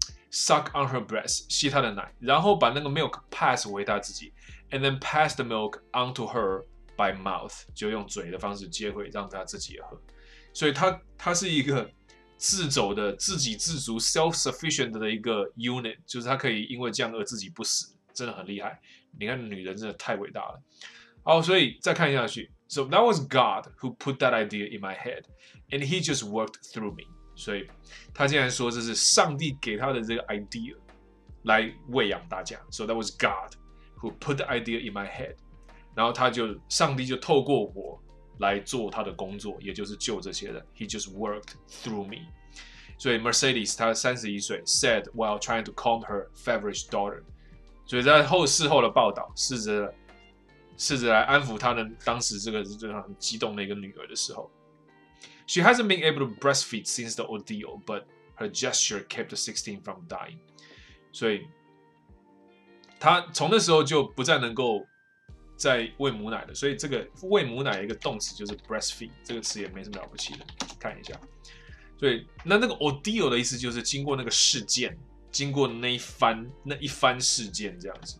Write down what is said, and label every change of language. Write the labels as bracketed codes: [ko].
[en] Suck on her breast， [zh] 吸她的奶，然后把那个 [en] milk pass [zh] 回她自己 ， [en] and then pass the milk onto her by mouth， [zh] 就用嘴的方式接回，让她自己也喝。所以她是一个自走的、自给自足 （self-sufficient） 的一个 unit， 就是她可以因为这样而自己不死，真的很厉害。你看，女人真的太伟大了。好，所以再看下去 [en] ，So that was God who put that idea in my head， and He just worked through me。 [zh] 所以他竟然说这是上帝给他的这个 idea 来喂养大家。 [en] So that was God who put the idea in my head. [zh] 然后他就上帝就透过我来做他的工作，也就是救这些人。 [en] He just worked through me. [zh] 所以 [en] Mercedes [zh] 他31岁 [en] said while trying to calm her feverish daughter. [zh] 所以在事后的报道试着来安抚他的当时这个很激动的一个女儿的时候。 [en] She hasn't been able to breastfeed since the ordeal, but her gesture kept the 16 from dying. [zh] 所以，她从那时候就不再能够再喂母奶了。所以，这个喂母奶一个动词就是 breastfeed， 这个词也没什么了不起的。看一下，所以那个 ordeal 的意思就是经过那个事件，经过那一番事件这样子。